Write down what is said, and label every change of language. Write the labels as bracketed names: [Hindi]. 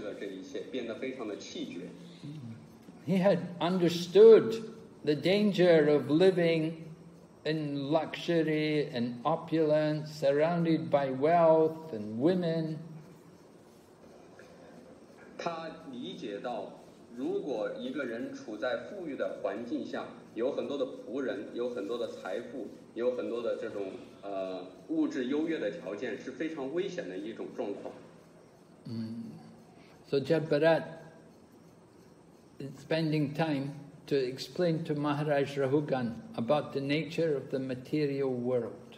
[Chinese] 但是呢,他放弃了这个国王的王位,他放弃了这一切,变得非常的气绝。 [English] He had understood the danger of living in luxury and opulence, surrounded by wealth and women. [Chinese] 他理解到,如果一个人处在富裕的环境下, 有很多的仆人,有很多的财富, 有很多的这种 物质优越的条件是非常危险的一种状况。So [English] Jad Bharat is spending time to explain to Maharaj Rahugan about the nature of the material world.